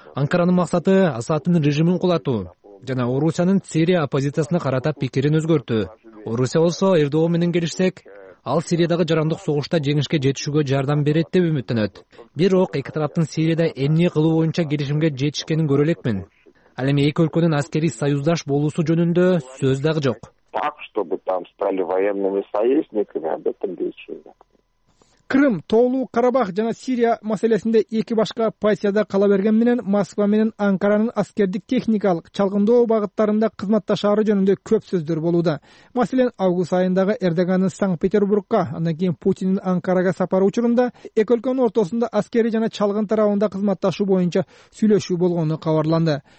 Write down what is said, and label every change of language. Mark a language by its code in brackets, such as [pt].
[ky] Анкаранын максаты Асадтын режимин кулатуу жана Орусиянын Сирия оппозициясына карата пикирин өзгөртүү. Орусия болсо РДО менен келишсек, ал Сириядагы жарандык согушта жеңишке жетишүүгө жардам берет деп үмүттөнөт. Бирок эки тараптын Сирияда эмне кылуу боюнча келишимге жетишкенин көрө элек мен. Ал эми эки өлкөнүн аскерий союздаш болуусу жөнүндө сөз дагы жок. [ru] Так, чтобы там стали военными союзниками, об этом речи нет. [ky] Кырым, Тоолуу Карабах жана Сирия маселесинде эки башка позицияда кала берген менен Москва менен Анкаранын аскердик техникалык чалгындоо багыттарында кызматташары жөнүндө көп сөздөр болууда. Маселен, август айындагы Эрдогандын Санкт-Петербургка, андан кийин Путиндин Анкарага сапары учурунда эки өлкөнүн ортосунда аскери жана чалгын тарабында кызматташуу боюнча сүйлөшүү болгону кабарланды.